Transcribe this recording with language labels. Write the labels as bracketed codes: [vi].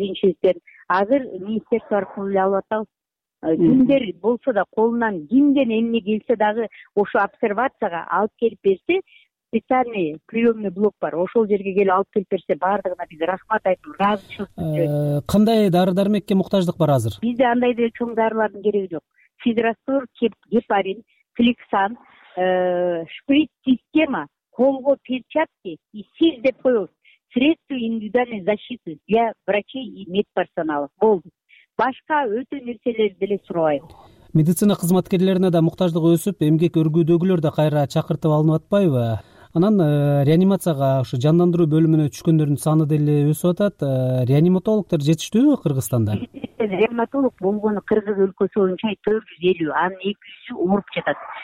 [ky] Биринчиден азыр министерство аркылуу эле алып атабыз. Кимдер болсо да колунан кимден эмне келсе дагы ошо обсервацияга алып келип берсе, специальный приемный блок бар, ошол жерге келип алып келип берсе баардыгына биз рахмат айтып ыраазычылык билдиребиз. Кандай дары дармекке муктаждык бар азыр? Бизде андай деле чоң дарылардын кереги жок. Физраствор, гепарин, кликсан, шприц система, колго перчатки и СИЗ деп коебуз. [ru] Средство индивидуальной защиты для врачей и медперсонала. [ky] Болду. Башка өтө нерселерди деле сурабайбы. Медицина кызматкерлерине да муктаждык өсүп, эмгек өргүүдөгүлөр да кайра чакыртып алынып атпайбы? Анан реанимацияга ушу жандандыруу бөлүмүнө түшкөндөрдүн саны деле өсүп атат. Реаниматологдор жетиштүүбү Кыргызстанда? Реаниматолог болгону кыргыз өлкөсү боюнча 450, анын 200 ооруп жатат.